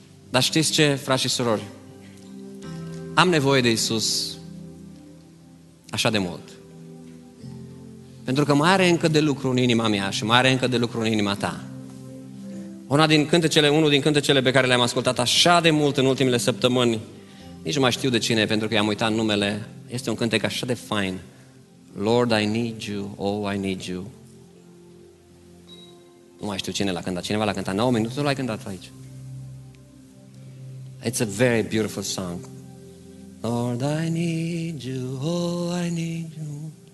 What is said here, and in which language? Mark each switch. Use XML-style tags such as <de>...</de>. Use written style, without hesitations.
<ro>Dar știți ce, frați și surori? Am nevoie de Iisus așa de mult. Pentru că mai are încă de lucru în inima mea și mai are încă de lucru în inima ta. Unul din cântecele pe care le-am ascultat așa de mult în ultimele săptămâni, nici nu mai știu de cine, pentru că i-am uitat numele, este un cântec așa de fain.</ro> <en>Lord, I need you, oh, I need you.</en> <ro>Nu mai știu cine l-a cântat. Cineva l-a cântat 9 minute, nu l-ai cântat aici.</ro> <en>It's a very beautiful song. Lord, I need you, oh, I need you.</en>